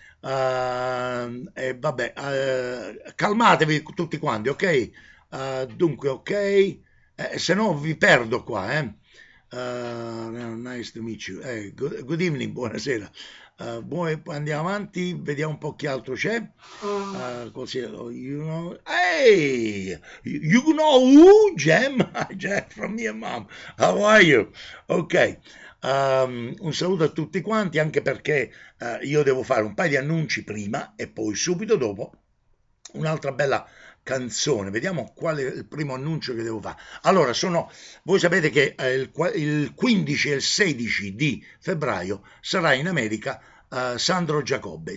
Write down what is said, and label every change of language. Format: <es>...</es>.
<it>Calmatevi tutti quanti, ok? Dunque, ok, se no vi perdo qua, eh?</it> <en>Nice to meet you. Good evening,</en> <it>buonasera. Andiamo avanti, vediamo un po' chi altro c'è.</it> <en>Così, you know, hey, you know who, Jem? Jeff from your mom. How are you?</en> <it>Ok, un saluto a tutti quanti, anche perché io devo fare un paio di annunci prima e poi subito dopo un'altra bella canzone. Vediamo qual è il primo annuncio che devo fare. Allora, sono, voi sapete che il 15 e il 16 di febbraio sarà in America Sandro Giacobbe.</it>